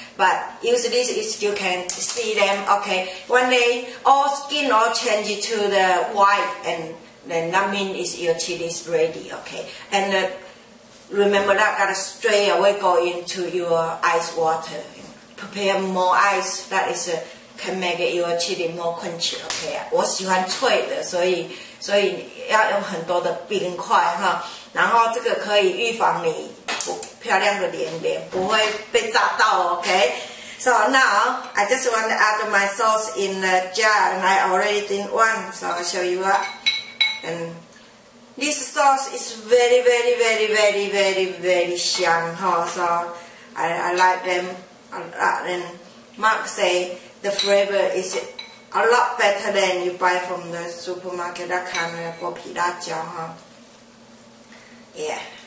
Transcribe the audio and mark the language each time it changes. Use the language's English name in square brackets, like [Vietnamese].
[English] But use this, you still can see them. Okay, when they all skin all change to the white and then that means is your chili is ready, okay? And remember that gotta straight away go into your ice water. Prepare more ice, that is can make your chili more crunchy, okay? [Chinese] 我喜欢脆的，所以要用很多的冰块哈。然后这个可以预防你漂亮的脸不会被炸到 ，okay? [English] So now I just want to add my sauce in the jar, and I already did one, so I'll show you what. And this sauce is very, very, very, very, very, very, very yum, huh? So I like them a lot. And Mark say the flavor is a lot better than you buy from the supermarket, that kind of 剥皮辣椒, huh? Yeah.